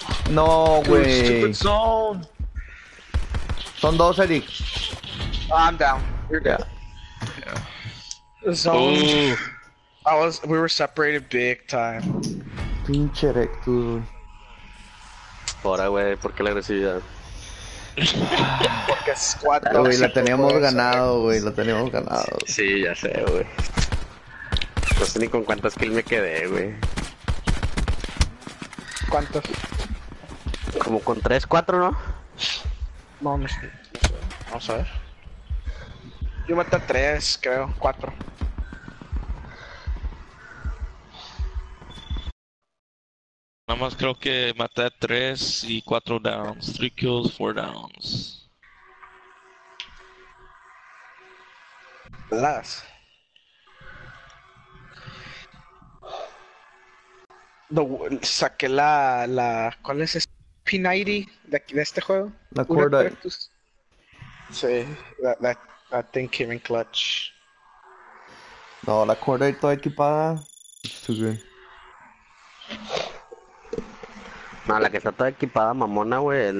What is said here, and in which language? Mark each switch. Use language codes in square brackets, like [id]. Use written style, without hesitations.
[en] No way. Dude, stupid zone. [es] Son dos, Eric. [en] I'm down. You're dead. Yeah. Zone. Ooh. We were separated big time. [es] Pinche rec, dude. Ahora, güey, ¿por qué la agresividad? Porque squad. Güey, la teníamos ganado, güey, la teníamos ganado. Sí, ya sé, güey. No sé ni con cuántas kills me quedé, güey. ¿Cuántos? Como con 3, 4, ¿no? No sé. Vamos a ver. Yo maté a 3, creo, 4. Nada más creo que maté 3 y 4 downs, 3 kills, 4 downs. Las. No, saqué la. ¿Cuál es ese? P90 de aquí, de este juego. La Una cuerda. Correctus. [en] Sí, that thing came in clutch. [es] No, la cuerda y toda equipada. [en] It's too good. [es] No, la que está toda equipada, mamona, güey, es la